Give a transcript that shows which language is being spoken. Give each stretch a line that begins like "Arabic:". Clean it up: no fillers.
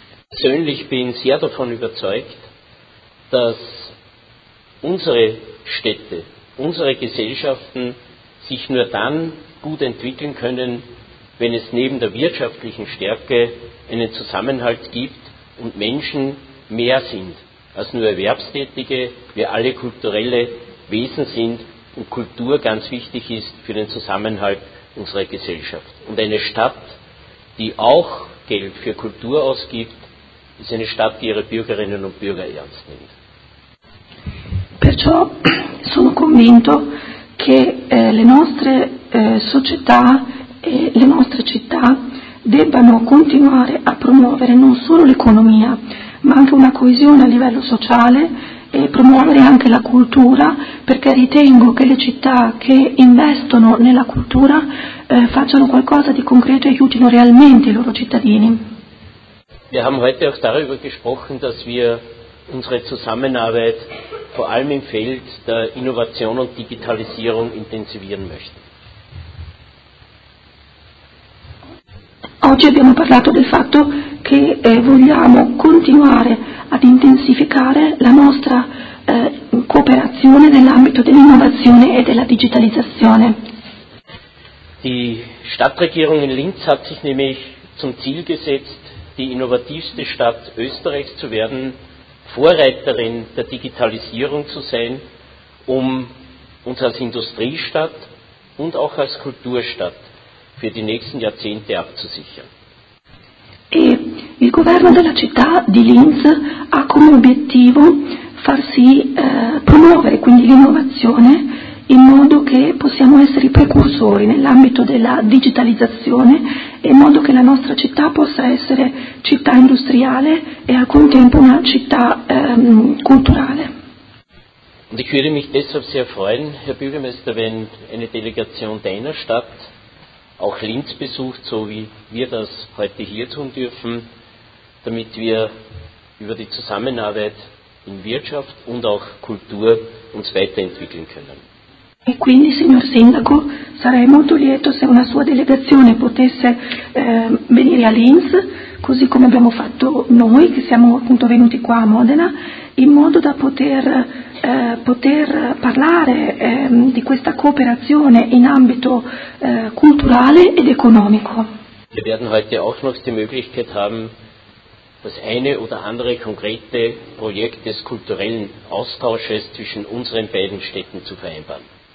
German: Persönlich bin sehr davon überzeugt, dass unsere Städte, unsere Gesellschaften sich nur dann gut entwickeln können, wenn es neben der wirtschaftlichen Stärke einen Zusammenhalt gibt und Menschen mehr sind als nur Erwerbstätige, wir alle kulturelle Wesen sind und Kultur ganz wichtig ist für den Zusammenhalt unserer Gesellschaft. Und eine Stadt, die auch Geld für Kultur ausgibt, ist eine Stadt, die ihre Bürgerinnen und Bürger ernst nimmt.
Italian: Perciò sono convinto che le nostre società e le nostre città debbano continuare a promuovere non solo l'economia, ma anche una coesione a livello sociale promuovere anche la cultura, perché ritengo che le città che investono nella cultura facciano qualcosa di concreto e aiutino realmente i loro cittadini.
German: Wir haben heute auch darüber gesprochen, dass wir unsere Zusammenarbeit vor allem im Feld der Innovation und Digitalisierung intensivieren möchten.
Italian: Oggi abbiamo parlato del fatto che vogliamo continuare ad intensificare la nostra cooperazione nell'ambito dell'innovazione e della digitalizzazione.
German: Die Stadtregierung in Linz hat sich nämlich zum Ziel gesetzt, die innovativste Stadt Österreichs zu werden, Vorreiterin der Digitalisierung zu sein, um uns als Industriestadt und auch als Kulturstadt für die nächsten Jahrzehnte abzusichern.
Italian: E il governo della città di Linz ha come obiettivo farsi promuovere quindi l'innovazione in modo che possiamo essere i precursori nell'ambito della digitalizzazione e in modo che la nostra città possa essere città industriale e al contempo una città culturale.
German: Und ich würde mich deshalb sehr freuen, Herr Bürgermeister, wenn eine Delegation deiner Stadt auch Linz besucht, so wie wir das heute hier tun dürfen, damit wir über die Zusammenarbeit in Wirtschaft und auch Kultur uns weiterentwickeln können.
Italian: E quindi, signor Sindaco, sarei molto lieto se una sua delegazione potesse venire a Linz, così come abbiamo fatto noi, che siamo appunto venuti qua a Modena, in modo da poter parlare di questa cooperazione in ambito culturale ed economico.
German: Wir werden heute auch noch die Möglichkeit haben, das eine oder andere konkrete Projekt des kulturellen Austausches zwischen unseren beiden Städten zu vereinbaren.